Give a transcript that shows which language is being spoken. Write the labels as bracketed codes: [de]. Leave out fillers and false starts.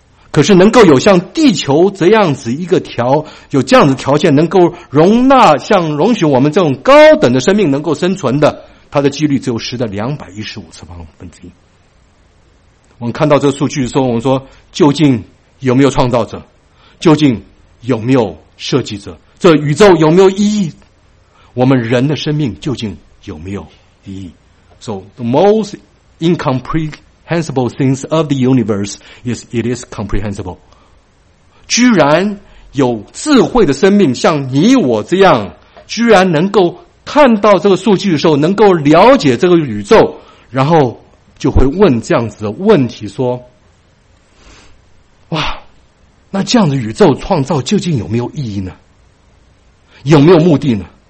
[zh] 可是能够有像地球这样子一个条，有这样子条件能够容纳，像容许我们这种高等的生命能够生存的，它的几率只有10^215。我们看到这个数据的时候，我们说究竟有没有创造者？究竟有没有设计者？这宇宙有没有意义？我们人的生命究竟有没有意义？ [en] So the most incomprehensible things of the universe is it is comprehensible. [zh] 居然有智慧的生命像你我这样，居然能够看到这个数据的时候，能够了解这个宇宙，然后就会问这样子的问题说，哇，那这样的宇宙创造究竟有没有意义呢？有没有目的呢？